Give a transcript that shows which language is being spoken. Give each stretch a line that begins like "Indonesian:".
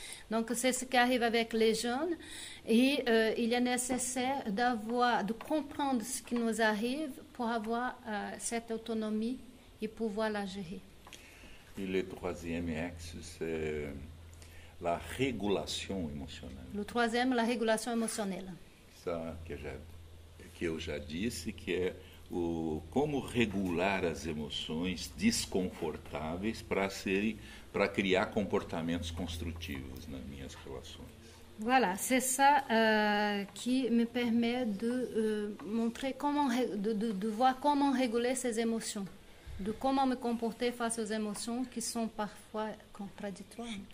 French: Donc, c'est ce qui arrive avec les jeunes. Et il est nécessaire de comprendre ce qui nous arrive pour avoir cette autonomie et pouvoir la gérer. Et le troisième axe, c'est la régulation émotionnelle. Le troisième, la régulation émotionnelle.
Portuguese: Ça, que eu já disse, que é o como regular as emoções desconfortáveis para criar comportamentos construtivos nas minhas relações.
French: Voilà, c'est ça qui me permet de montrer comment de voir comment réguler ces émotions. De comment me comporter face aux émotions qui sont parfois contradictoires.